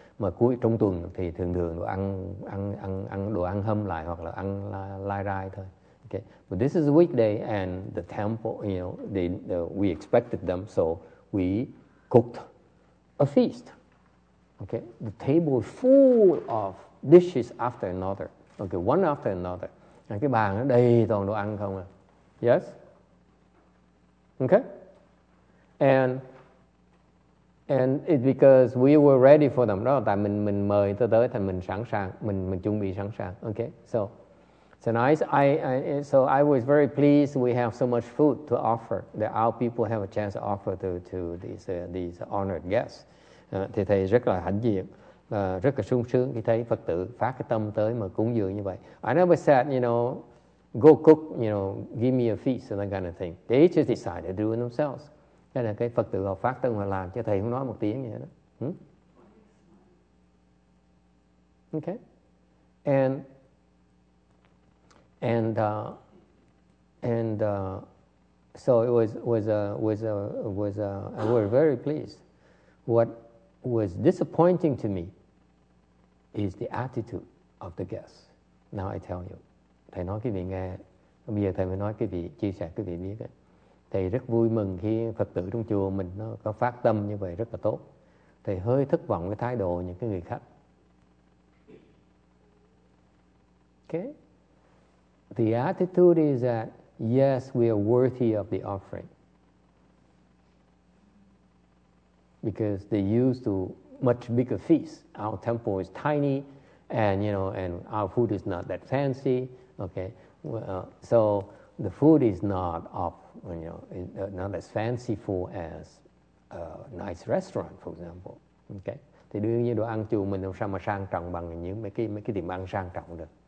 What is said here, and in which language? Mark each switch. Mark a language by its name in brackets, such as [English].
[Vietnamese] Mà cuối trong tuần thì thường thường đồ ăn đồ ăn hâm lại hoặc là ăn lai rai thôi. [English] Okay? But this is a weekday and the temple, you know, we expected them, so we cooked a feast. Okay, the table is full of dishes after another. Okay, one after another. [Vietnamese] And cái bàn nó đầy toàn đồ ăn không à? [English] Yes. Okay. And it's because we were ready for them. [Vietnamese] Đó là tại mình mời tôi tới thì mình sẵn sàng, mình chuẩn bị sẵn sàng. [English] Okay. So nice. I was very pleased. We have so much food to offer that our people have a chance to offer to these honored guests. [Vietnamese] Thì thầy rất là hãnh diện, rất là sung sướng khi thấy Phật tử phát cái tâm tới mà cúng dường như vậy. [English] I never said, you know, go cook, you know, give me a feast and that kind of thing. They just decided to do it themselves. [Vietnamese] Đây là cái Phật tử họ phát tâm họ làm, cho thầy không nói một tiếng gì hết. [English] Okay. So it was we were very pleased. What was disappointing to me is the attitude of the guests. Now I tell you. [Vietnamese] Thầy nói cái vị nghe, bây giờ thầy mới nói cái vị chia sẻ cái vị biết đấy. Thầy rất vui mừng khi Phật tử trong chùa mình nó có phát tâm như vậy rất là tốt. Thầy hơi thất vọng cái thái độ những cái người khách. [English] Okay. The attitude is that yes, we are worthy of the offering. Because they used to much bigger feast. Our temple is tiny, and you know, and our food is not that fancy. Okay, well, so the food is not of, you know, not as fanciful as a nice restaurant, for example. [Vietnamese] Okay, thì đương nhiên đồ ăn chùa mình không sao mà sang trọng bằng những mấy cái tiệm ăn sang trọng được.